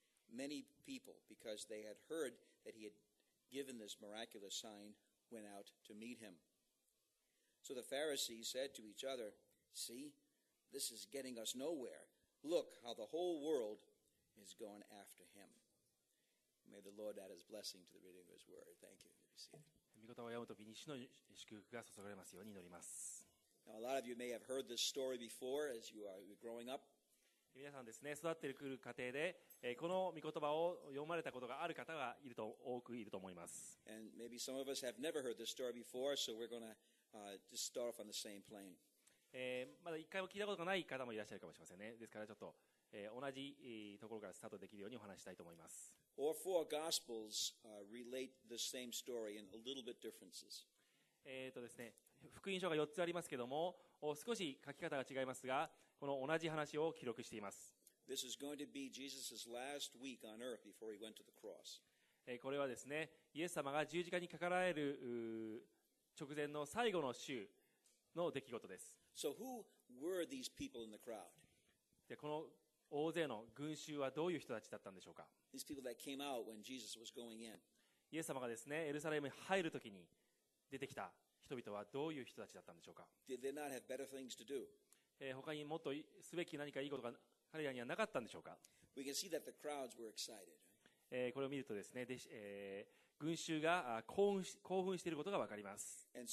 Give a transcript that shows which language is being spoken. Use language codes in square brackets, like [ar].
[en] Many people, because they had heard that he had given this miraculous sign, went out to meet him. So the Pharisees said to each other, See, this is getting us nowhere. Look how the whole world is going after him. May the Lord add his blessing to the reading of his word. Thank you. You'll be seated. [ja] 御言葉を読むときに主の祝福が注がれますように祈ります。 [en] Now, a lot of you may have heard this story before as you are growing up. [ja] 皆さんですね、育ってくる過程で、この御言葉を読まれたことがある方がいると、多くいると思います。 [en] And maybe some of us have never heard this story before, so we're going toJust start off on the same plane. [ja] まだ一回も聞いたことがない方もいらっしゃるかもしれませんね。ですからちょっと、同じ、ところからスタートできるようにお話したいと思います。 [en] All four Gospels, relate the same story in a little bit differences. [ja] ですね、福音書が4つありますけども、少し書き方が違いますが、この同じ話を記録しています。 [en] This is going to be Jesus's last week on earth before he went to the cross. [ja] これはですね、イエス様が十字架にかかられる直前の最後の週の出来事です。 [en] So who were these people in the crowd? [ja] で、この大勢の群衆はどういう人たちだったんでしょうか。 [en] These people that came out when Jesus was going in. [ja] イエス様がですね、エルサレムに入るときに出てきた人々はどういう人たちだったんでしょうか。 [en] Did they not have better things to do? [ja] 他にもっとすべき何かいいことが彼らにはなかったんでしょうか。 [en] We can see that the crowds were excited. [ja] これを見るとですね、群衆が興奮していることが分かります。